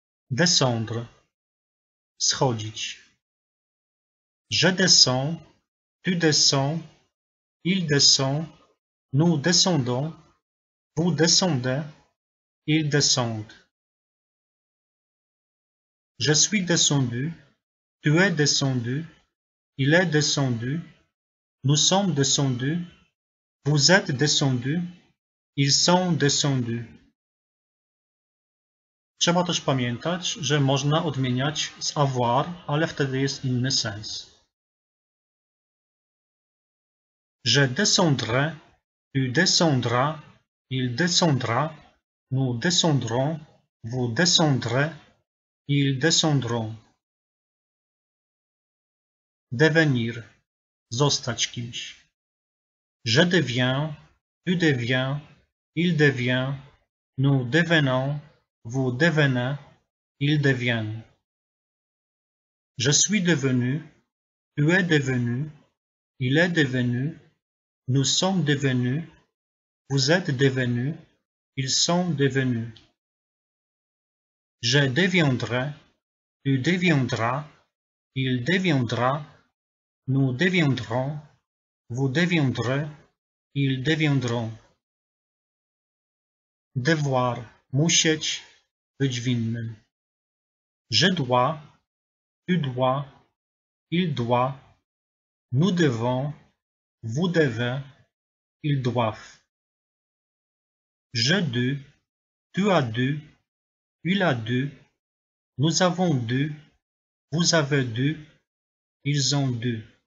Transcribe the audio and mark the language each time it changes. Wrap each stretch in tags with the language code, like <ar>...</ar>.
<fr>Descendre, schodzić. Je descends, tu descends, il descend, nous descendons, vous descendez, ils descendent. Je suis descendu, tu es descendu, il est descendu, nous sommes descendus, vous êtes descendus, ils sont descendus.</fr> <pl>Trzeba też pamiętać, że można odmieniać z avoir, ale wtedy jest inny sens.</pl> <fr>Je descendrai, tu descendras, il descendra, nous descendrons, vous descendrez, ils descendront. Devenir,</fr> <pl>zostać kimś.</pl> <fr>Je deviens, tu deviens, il devient, nous devenons, vous devenez, ils deviennent. Je suis devenu, tu es devenu, il est devenu, nous sommes devenus, vous êtes devenus, ils sont devenus. Je deviendrai, tu deviendras, il deviendra, nous deviendrons, vous deviendrez, ils deviendront.</fr> <pl>Devoir, musieć, być winnym.</pl> <fr>Je dois, tu dois, il doit, nous devons, vous devez, ils doivent. J'ai dû, tu as dû, il a dû, nous avons dû, vous avez dû, ils ont dû.</fr>